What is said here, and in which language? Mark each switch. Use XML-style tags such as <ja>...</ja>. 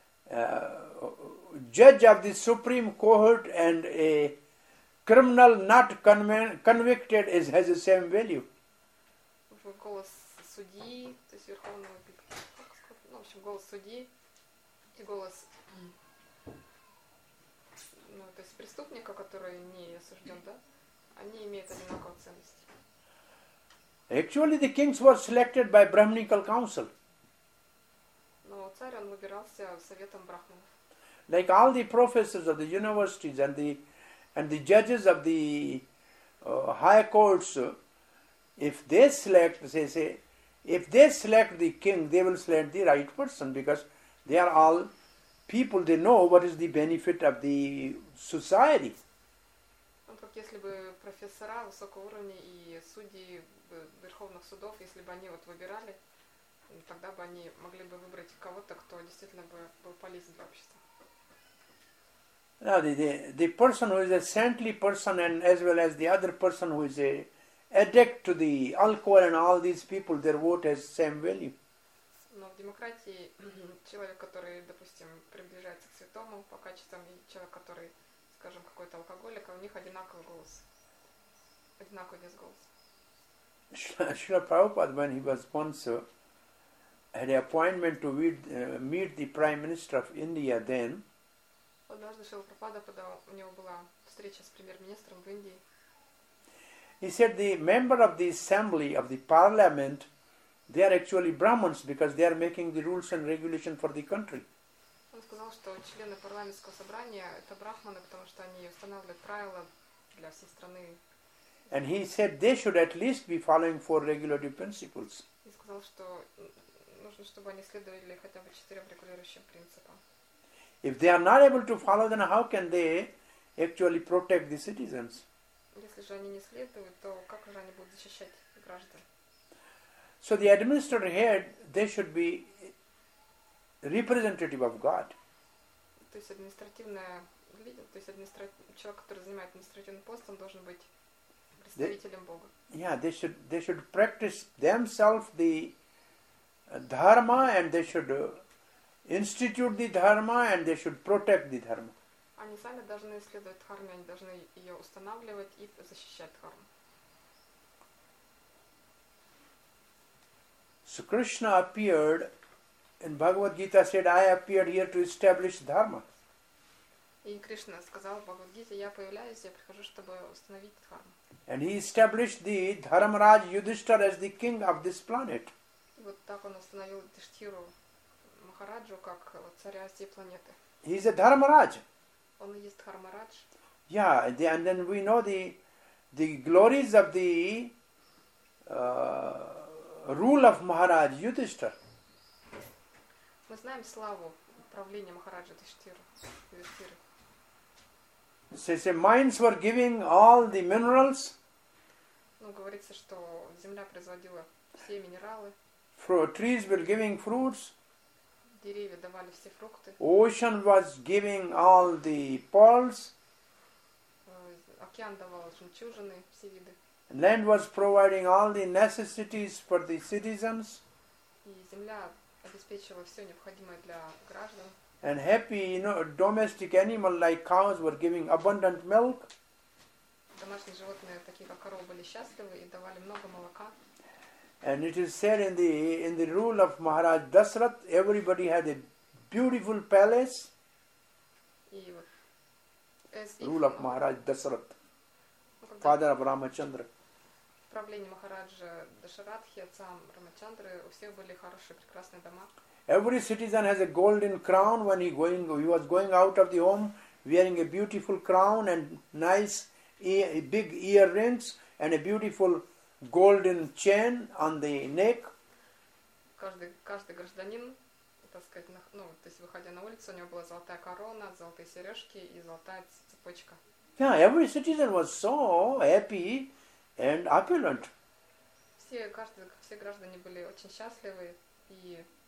<en>The vote of a judge of the Supreme Court and a criminal not convicted has the same value.</en> <ru>Голос судьи, то есть верховного, в общем, голос судьи и голос, то есть преступника, который не осужден, да, они имеют одинаковую ценность.</ru> <en>Actually, the kings were selected by Brahminical council.</en> <ru>Но царь, он выбирался советом брахманов.</ru> <en>Like all the professors of the universities and the judges of the high courts, if they select the king, they will select the right person because they are all people. They know what is the benefit of the society.</en> <ru>как если бы профессора высокого уровня и судьи верховных судов, если бы они вот выбирали, тогда бы они могли бы выбрать кого-то, кто действительно бы был полезен для общества.</ru> <en>Now the person who is a saintly person and as well as the other person who is a addict to the alcohol and all these people, their vote has same value.</en> <ru>Но в демократии человек, который, допустим, приближается к святому по качествам, и человек, который, скажем, какой-то алкоголик, у них одинаковый голос. Одинаковый вес голоса.</ru> <en>Шрила Прабхупада, when he was sponsor, had an appointment to meet the Prime Minister of India then.</en> <ru>Однажды Шрила Прабхупада, когда у него была встреча с премьер-министром в Индии,</ru> <en>he said the member of the assembly, of the parliament, they are actually Brahmins because they are making the rules and regulation for the country.</en> <ru>Он сказал, что члены парламентского собрания это брахманы, потому что они устанавливают правила для всей страны.</ru> <en>And he said they should at least be following four regulative principles.</en> <ru>И сказал, что нужно, чтобы они следовали хотя бы четырем регулирующим принципам.</ru> <en>If they are not able to follow, then how can they actually protect the citizens?</en> <ru>Если же они не следуют, то как же они будут защищать граждан?</ru> <en>So the administrator here, they should be representative of God.</en> <ru>То есть административное, то есть человек, который занимает административный пост, он должен быть представителем Бога.</ru> <en>Yeah, they should practice themselves the dharma, and they should institute the dharma, and they should protect the dharma.</en> <ru>Они сами должны исследовать дхарму, они должны ее устанавливать и защищать дхарму.</ru> <en>So Krishna appeared, and Bhagavad Gita said, "I appeared here to establish dharma."</en> <ru>И Кришна сказал Бхагавад Гите, я появляюсь, я прихожу, чтобы установить дхарму.</ru> <en>And he established the Dharmaraj Yudhishthira as the king of this planet.</en> <ru>Вот так он установил Юдхиштхиру Махараджу как царя всей планеты.</ru> <en>He is a Dharmaraj.</en> <ru>Он и есть Дхармарадж.</ru> <en>Yeah, and then we know the glories of the rule of Maharaj Yudhishthira.</en> <ru>Мы знаем славу правления Махараджа Юдхиштхиры.</ru> <en>Say mines were giving all the minerals.</en> <ru>Ну, говорится, что земля производила все минералы.</ru> <en>Trees were giving fruits.</en> <ru>Деревья давали все фрукты.</ru> <en>Ocean was giving all the pearls.</en> <ru>Океан давал жемчужины, все виды.</ru> <en>Land was providing all the necessities for the citizens.</en> <ru>И земля обеспечивала все необходимое для граждан.</ru> <en>And happy, you know, domestic animal like cows were giving abundant milk.</en> <ru>Домашние животные, такие как коровы, были счастливы и давали много молока.</ru> <en>And it is said in the rule of Maharaj Dasarath, everybody had a beautiful palace. Rule of Maharaj Dasarath, father of Ramachandra.</en> <ru>В правлении Махараджа Дашаратхи, отца Рамачандры, у всех были хорошие, прекрасные дома.</ru> <en>Every citizen has a golden crown when he was going out of the home wearing a beautiful crown and nice big earrings and a beautiful golden chain on the neck.</en> <ru>Каждый гражданин, так сказать, то есть выходя на улицу, у него была золотая корона, золотые сережки и золотая цепочка.</ru> <en>Yeah, every citizen was so happy and opulent.</en> <ru>Все граждане были очень счастливы и</ru>